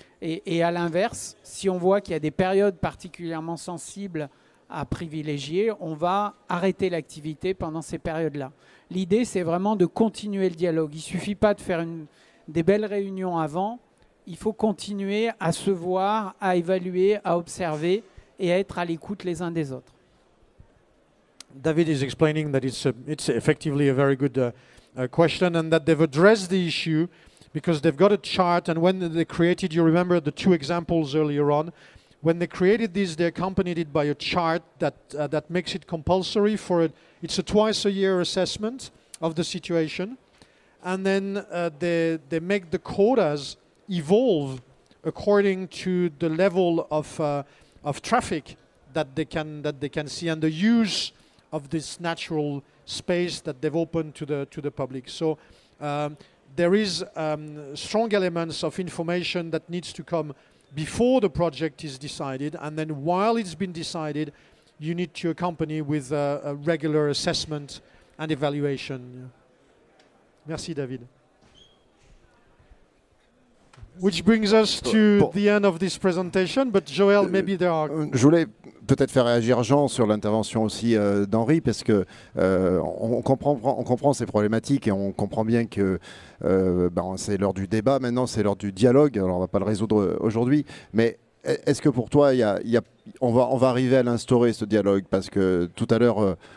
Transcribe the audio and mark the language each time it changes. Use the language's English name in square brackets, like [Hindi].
[French] Et à l'inverse, si on voit qu'il y a des périodes particulièrement sensibles à privilégier, on va arrêter l'activité pendant ces périodes-là. L'idée, c'est vraiment de continuer le dialogue. Il ne suffit pas de faire des belles réunions avant. Il faut continuer à se voir, à évaluer, à observer et à être à l'écoute les uns des autres. [English] David is explaining that it's effectively a very good question, and that they've addressed the issue because they've got a chart, and when they created, you remember the two examples earlier on, when they created this, they accompanied it by a chart that that makes it compulsory for it. It's a twice a year assessment of the situation, and then they make the quotas evolve according to the level of traffic that they can see and the use of this natural space that they've opened to the public. So there is strong elements of information that needs to come before the project is decided, and then while it's been decided, you need to accompany with a regular assessment and evaluation. [French] Merci, David. [English] Which brings us to the end of this presentation, but Joël, maybe there are... [French] Je voulais peut-être faire réagir Jean sur l'intervention aussi d'Henri, parce que on comprend ces problématiques et on comprend bien que c'est l'heure du débat maintenant, c'est l'heure du dialogue, alors on ne va pas le résoudre aujourd'hui, mais est-ce que pour toi, on va arriver à l'instaurer, ce dialogue, parce que tout à l'heure...